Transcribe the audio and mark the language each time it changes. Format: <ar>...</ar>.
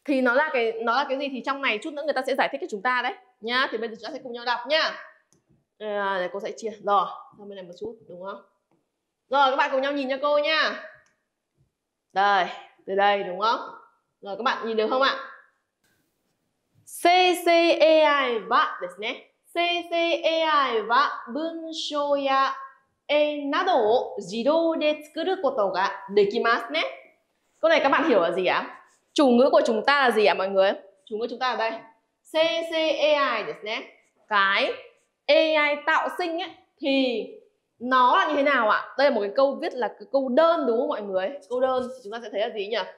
<vi>Thì nó là cái gì thì trong này chút nữa người ta sẽ giải thích cho chúng ta đấy nhá. Thì bây giờ chúng ta sẽ cùng nhau đọc nhá. Để cô sẽ chia. Rồi, sang bên này một chút, đúng không? Rồi, các bạn cùng nhau nhìn cho cô nhá. Đây, từ đây đúng không? Rồi, các bạn nhìn được không ạ?</vi> <ja>CCAI và ですね. CCAI は文章や絵などを自動で作ることができますね。</ja> <vi>Câu này các bạn hiểu là gì ạ? Chủ ngữ của chúng ta là gì ạ mọi người? Chủ ngữ chúng ta ở đây.</vi> <ja>CCAI ですね.</ja> <vi>Cái AI tạo sinh ấy, thì nó là như thế nào ạ? Đây là một cái câu viết là cái câu đơn đúng không mọi người? Câu đơn thì chúng ta sẽ thấy là gì nhỉ?</vi>